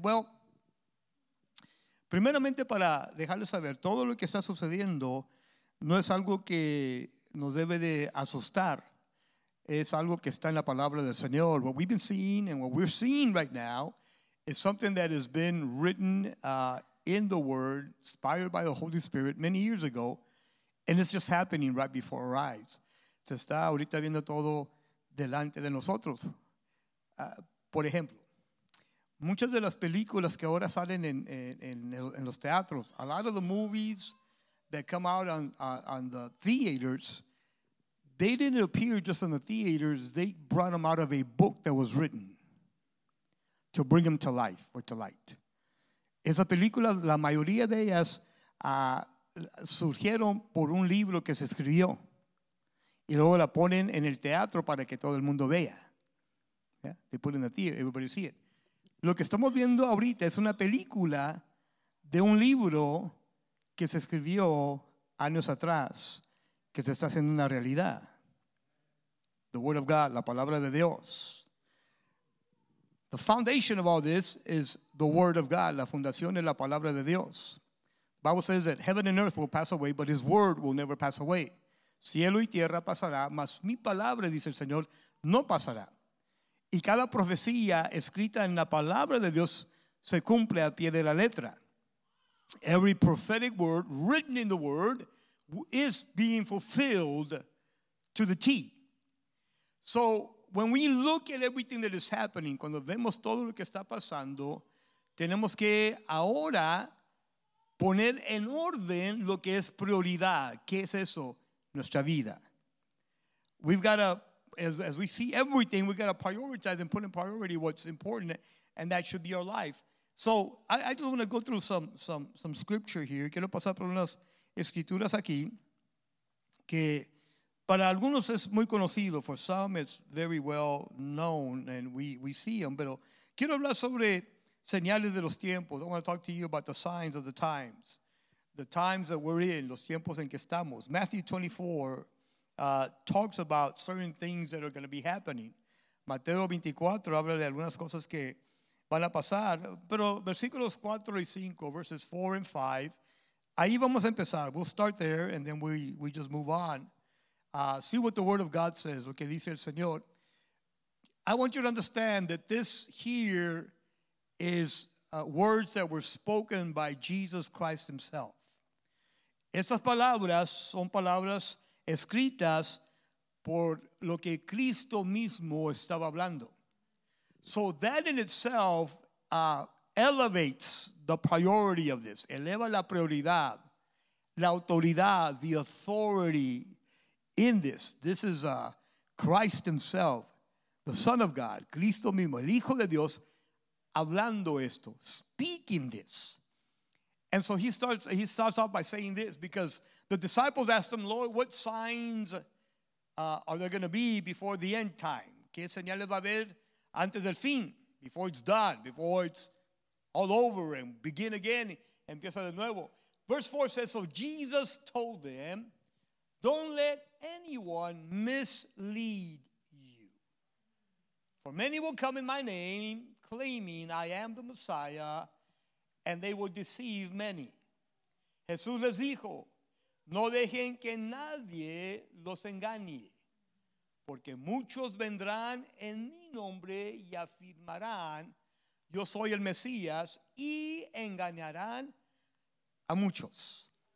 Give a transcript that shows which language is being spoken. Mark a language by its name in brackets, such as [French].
[Spanish] Well, primeramente, para dejarles saber, todo lo que está sucediendo no es algo que nos debe de asustar. Es algo que está en la palabra del Señor. [English] What we've been seeing and what we're seeing right now is something that has been written in the Word, inspired by the Holy Spirit many years ago, and it's just happening right before our eyes. [Spanish] Se está ahorita viendo todo delante de nosotros. Por ejemplo, muchas de las películas que ahora salen en los teatros, [English] a lot of the movies that come out on the theaters, they didn't appear just in the theaters. They brought them out of a book that was written to bring them to life or to light. [Spanish] Esa película, la mayoría de ellas surgieron por un libro que se escribió y luego la ponen en el teatro para que todo el mundo vea. [English] Yeah? They put it in the theater, everybody see it. [Spanish] Lo que estamos viendo ahorita es una película de un libro que se escribió años atrás, que se está haciendo una realidad. [English] The Word of God, [Spanish] la palabra de Dios. [English] The foundation of all this is the Word of God. [Spanish] La fundación es la palabra de Dios. [English] The Bible says that heaven and earth will pass away, but His Word will never pass away. [Spanish] Cielo y tierra pasará, mas mi palabra, dice el Señor, no pasará. Y cada profecía escrita en la palabra de Dios se cumple al pie de la letra. [English] Every prophetic word written in the word is being fulfilled to the T. So when we look at everything that is happening, [Spanish] cuando vemos todo lo que está pasando, tenemos que ahora poner en orden lo que es prioridad. ¿Qué es eso? Nuestra vida. [English] We've got to, as we see everything, we've got to prioritize and put in priority what's important, and that should be our life. So I just want to go through some scripture here. [Spanish] Quiero pasar por unas escrituras aquí que para algunos es muy conocido. [English] For some, it's very well known, and we see them. [Spanish] Pero quiero hablar sobre señales de los tiempos. [English] I want to talk to you about the signs of the times, the times that we're in, [Spanish] los tiempos en que estamos. [English] Matthew 24 talks about certain things that are going to be happening. [Spanish] Mateo 24 habla de algunas cosas que van a pasar, pero versículos 4 y 5, [English] verses 4 and 5, [Spanish] ahí vamos a empezar. [English] We'll start there and then we just move on. See what the Word of God says, [Spanish] lo que dice el Señor. [English] I want you to understand that this here is words that were spoken by Jesus Christ himself. [Spanish] Estas palabras son palabras escritas por lo que Cristo mismo estaba hablando. [English] So that in itself elevates the priority of this. [Spanish] Eleva la prioridad, la autoridad, [English] the authority in this. This is Christ himself, the Son of God, [Spanish] Cristo mismo, el Hijo de Dios, hablando esto, [English] speaking this. And so he starts off by saying this, because the disciples asked him, Lord, what signs are there going to be before the end time? [Spanish] ¿Qué señales va a haber antes del fin? [English] Before it's done, before it's all over and begin again, [Spanish] empieza de nuevo. [English] Verse 4 says, so Jesus told them, don't let anyone mislead you. For many will come in my name, claiming I am the Messiah, and they will deceive many. [Spanish] Jesús les dijo, no dejen que nadie los engañe, porque muchos vendrán en mi nombre y afirmarán, yo soy el Mesías, y engañarán a muchos.